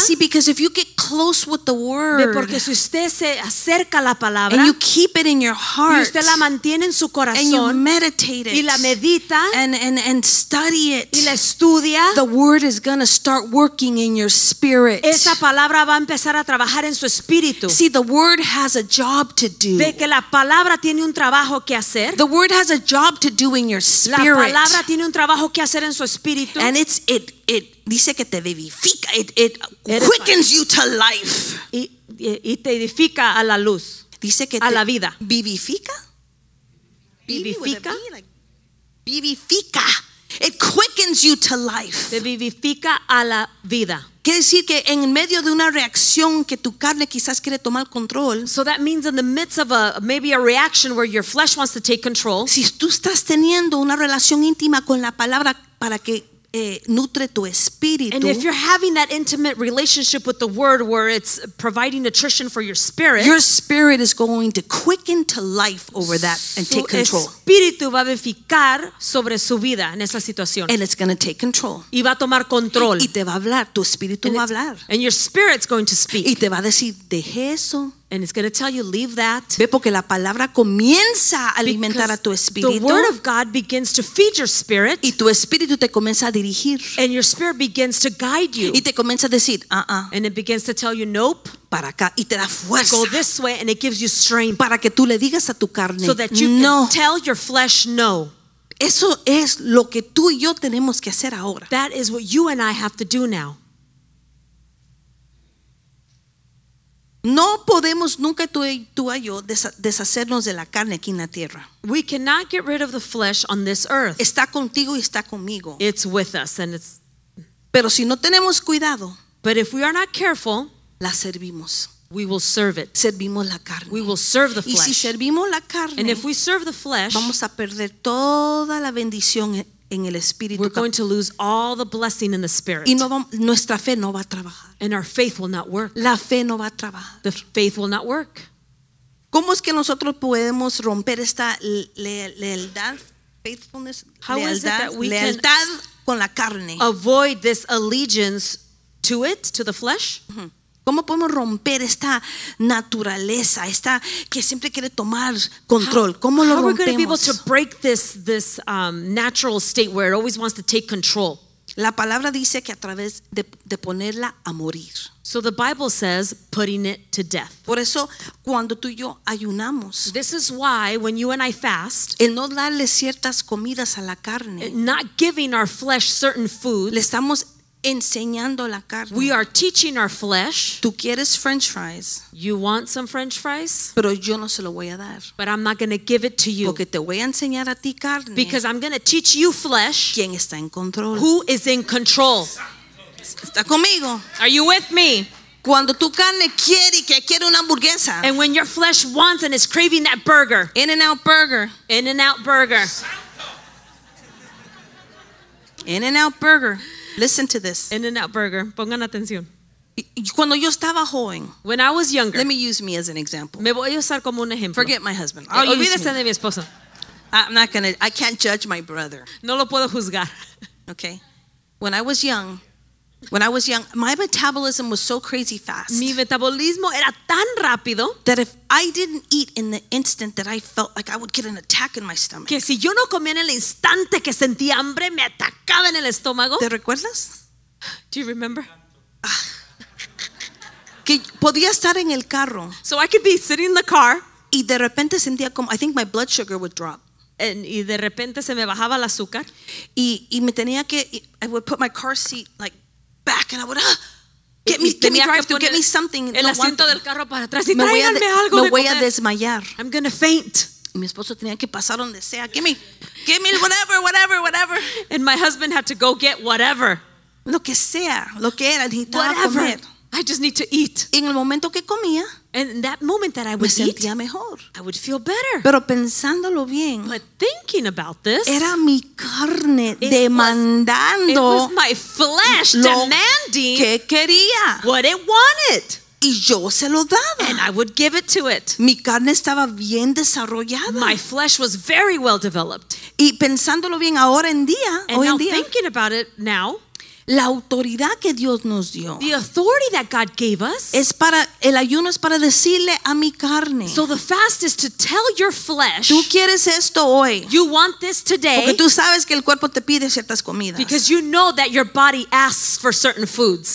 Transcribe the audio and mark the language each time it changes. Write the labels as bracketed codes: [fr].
[en] See, because if you get close with the word. [es] Porque si usted se acerca a la palabra. [en] You keep it in your heart. [es] Y usted la mantiene en su corazón. [en] And you meditate it. [es] Y la medita. [en] And study it. [es] Y la estudia. [en] The word is going to start working in your spirit. [es] Esa palabra va a empezar a trabajar en su espíritu. [en] See, the word has a job to do. [es] Ve que la palabra tiene un trabajo que hacer. [en] The word has a job to do in your spirit. [es] La palabra tiene un trabajo que hacer en su espíritu. [en] And it [es] dice que te vivifica. [en] It quickens you to life. [es] Y te edifica a la luz. Dice que a la vida. Vivifica. Vivifica. Vivifica. [en] It quickens you to life. [es] Te vivifica a la vida. Quiere decir que en medio de una reacción que tu carne quizás quiere tomar control. [en] So that means in the midst of maybe a reaction where your flesh wants to take control. [es] Si tú estás teniendo una relación íntima con la palabra para que nutre tu espíritu. [en] And if you're having that intimate relationship with the word where it's providing nutrition for your spirit is going to quicken to life over that and take control. [es] Su espíritu va a vivificar sobre su vida en esa situación. [en] And it's going to take control. [es] Y va a tomar control. Y te va a hablar. Tu espíritu va a hablar. [en] And your spirit's going to speak. [es] Y te va a decir, deje eso. [en] And it's going to tell you, leave that. [es] Ve porque la palabra comienza a alimentar a tu espíritu. [en] The word of God begins to feed your spirit. [es] Y tu espíritu te comienza a dirigir. [en] And your spirit begins to guide you. [es] Y te comienza a decir, uh-uh. [en] And it begins to tell you, nope. [es] Para acá. Y te da fuerza. [en] Go this way and it gives you strength. [es] Para que tú le digas a tu carne, [en] so that you [es] no. [en] can tell your flesh no. [es] Eso es lo que tú y yo tenemos que hacer ahora. [en] That is what you and I have to do now. [es] No podemos nunca tú y yo deshacernos de la carne aquí en la tierra. [en] We cannot get rid of the flesh on this earth. [es] Está contigo y está conmigo. [en] It's with us and it's. [es] Pero si no tenemos cuidado, [en] but if we are not careful, [es] la servimos. [en] We will serve it. [es] Servimos la carne. [en] We will serve the flesh. [es] Y si servimos la carne, [en] and if we serve the flesh, [es] vamos a perder toda la bendición en el espíritu. [en] We're going to lose all the blessing in the spirit. [es] Y nuestra fe no va a trabajar. [en] And our faith will not work. [es] La fe no va a trabajar. [en] The faith will not work. [es] ¿Cómo es que nosotros podemos romper esta lealtad? [en] Faithfulness, how [es] lealtad, [en] is it that we [es] lealtad, [en] can [es] con la carne. [en] Avoid this allegiance to it, to the flesh. [es] ¿Cómo podemos romper esta naturaleza, esta que siempre quiere tomar control? ¿Cómo lo rompemos? [en] How are we going to be able to break this natural state where it always wants to take control? [es] La palabra dice que a través de ponerla a morir. [en] So the Bible says putting it to death. [es] Por eso cuando tú y yo ayunamos. [en] This is why when you and I fast. [es] El no darle ciertas comidas a la carne. [en] Not giving our flesh certain foods. [es] Le estamos enseñando la carne. [en] We are teaching our flesh. [es] Tú quieres French fries. [en] You want some French fries. [es] Pero yo no se lo voy a dar. [en] But I'm not going to give it to you. [es] Porque te voy a enseñar a ti carne. [en] Because I'm going to teach you flesh. [es] ¿Quién está en control? [en] Who is in control? [es] ¿Está conmigo? [en] Are you with me? [es] Cuando tu carne quiere y que quiere una hamburguesa. [en] And when your flesh wants and is craving that burger. In-N-Out burger. In-N-Out burger. In-N-Out burger. Listen to this. [es] In-N-Out burger. Pongan atención. Cuando yo estaba joven. [en] When I was younger. Let me use me as an example. [es] Me voy a usar como un ejemplo. [en] Forget my husband. [es] Olvídese de mi esposa. [en] I can't judge my brother. [es] No lo puedo juzgar. [en] Okay. When I was young, my metabolism was so crazy fast. [es] Mi metabolismo era tan rápido. [en] That if I didn't eat in the instant that I felt like I would get an attack in my stomach. [es] Que si yo no comía en el instante que sentía hambre, me atacaba en el estómago. ¿Te recuerdas? [en] Do you remember? [es] Que podía estar en el carro. [en] So I could be sitting in the car. [es] Y de repente sentía como, [en] I think my blood sugar would drop. [es] Y de repente se me bajaba el azúcar. Y me tenía que, [en] I would put my car seat like, back and I would get me something. [es] El asiento del carro para atrás y tráiganme algo. Me voy a desmayar. [en] I'm gonna faint. [es] Y mi esposo tenía que pasar donde sea. [en] Give me whatever. And my husband had to go get whatever. [es] Lo que sea, lo que era, necesitaba comer. [en] I just need to eat. [es] En el momento que comía, [en] and in that moment that I would [es] me sentía mejor. [en] I would feel better. [es] Pero pensándolo bien, [en] but thinking about this, [es] era mi carne demandando. [en] It was my flesh demanding [es] que quería. [en] What it wanted. [es] Y yo se lo daba. [en] And I would give it to it. [es] Mi carne estaba bien desarrollada. [en] My flesh was very well developed. [es] Y pensándolo bien ahora en día, [en] and [es] hoy [en] now [es] en día, [en] thinking about it now. [es] La autoridad que Dios nos dio. [en] The authority that God gave us. [es] Es para, el ayuno es para decirle a mi carne. [en] So the fast is to tell your flesh. [es] Tú quieres esto hoy. [en] You want this today. [es] Porque tú sabes que el cuerpo te pide ciertas comidas. [en] Because you know that your body asks for certain foods.